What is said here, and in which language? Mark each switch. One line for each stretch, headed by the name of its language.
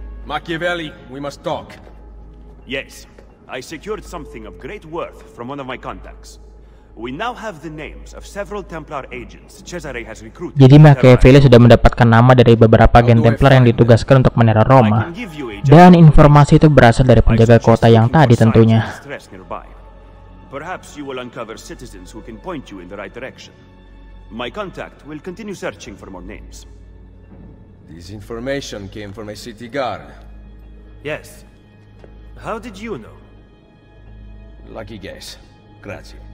English: Machiavelli, we must talk. Yes, I secured something of great worth from one of my contacts. We now have the names of several Templar agents Cesare has recruited.
Indonesian: Jadi Machiavelli sudah mendapatkan nama dari beberapa agen Templar yang ditugaskan untuk meneror Roma. Dan informasi itu berasal dari penjaga kota yang tadi tentunya.
English: Perhaps you will uncover citizens who can point you in the right direction. My contact will continue searching for more names. This information came from a city guard. Yes. How did you know? Lucky guess. Grazie.